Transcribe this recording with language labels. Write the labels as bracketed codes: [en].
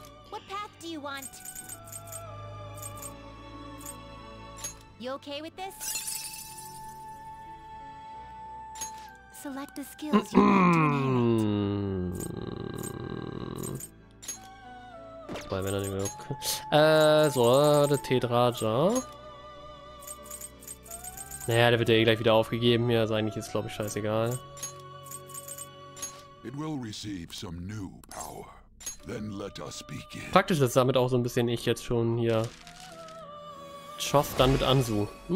[en] What path do you want? You okay with this? Select the skills you want. [de] Zwei Männer nehmen wir auch. So, der Tedraja. Naja, der wird ja eh gleich wieder aufgegeben. Ja, eigentlich ist, glaube ich, scheißegal. [en] It will receive some new power. Then let us begin. [de] Praktisch ist damit auch so ein bisschen ich jetzt schon hier. Choth dann mit Anzu.